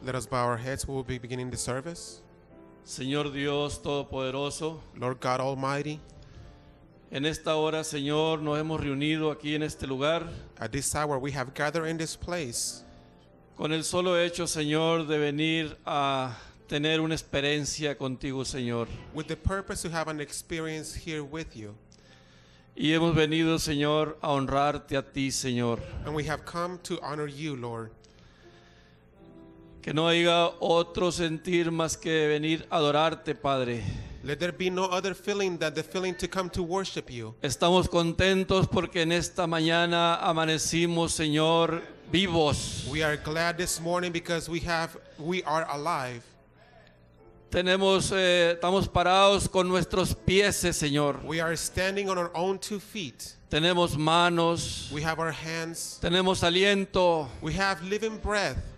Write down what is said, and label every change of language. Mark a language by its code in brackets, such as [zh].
[en] Let us bow our heads. We will be beginning the service. [es] Señor Dios Todopoderoso, [en] Lord God Almighty, [es] en esta hora, Señor, nos hemos reunido aquí en este lugar. [en] At this hour, we have gathered in this place. [es] Con el solo hecho, Señor, de venir a tener una experiencia contigo, Señor. [en] With the purpose to have an experience here with you. [es] Y hemos venido, Señor, a honrarte a ti, Señor. [en] And we have come to honor you, Lord. [es] Que no haya otro sentir más que venir a adorarte, Padre. [en] Let there be no other feeling than the feeling to come to worship you. [es] Estamos contentos porque en esta mañana amanecimos, Señor, vivos. [en] We are glad this morning because we are alive. [es] Estamos parados con nuestros pies, Señor. [en] We are standing on our own two feet. [es] Tenemos manos. [en] We have our hands. [es] Tenemos aliento. [en] We have living breath.